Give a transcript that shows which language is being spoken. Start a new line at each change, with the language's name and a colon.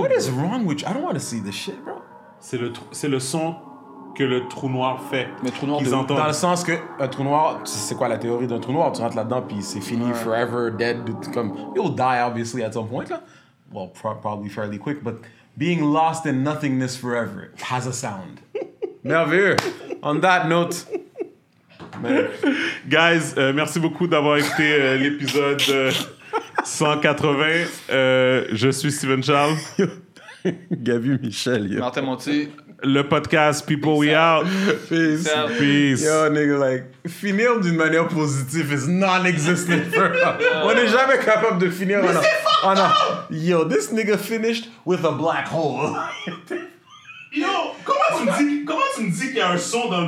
English: What is wrong with you? I don't want to see this shit, bro.
French: C'est le son que le trou noir fait. Mais trou noir, dans le sens que un trou noir, c'est quoi la théorie d'un trou noir? Tu rentres là-dedans, puis c'est fini,
English: forever, dead. Comme, you'll die, obviously, at some point, là. Well, probably fairly quick, but being lost in nothingness forever has a sound. Merveilleux. On that note,
French: guys, merci beaucoup d'avoir écouté l'épisode 180. Je suis Steven Charles. Gabi Michel. Yo. Martin Monti. Le podcast People Peace We Out.
English: Peace. Peace. Yo, nigga, like,
French: finir d'une manière positive
English: is non-existent.
French: On n'est jamais capable de finir. Mais c'est fuck
English: yo, this nigga finished with a black hole.
French: Yo, comment tu me dis qu'il y a un son dans le...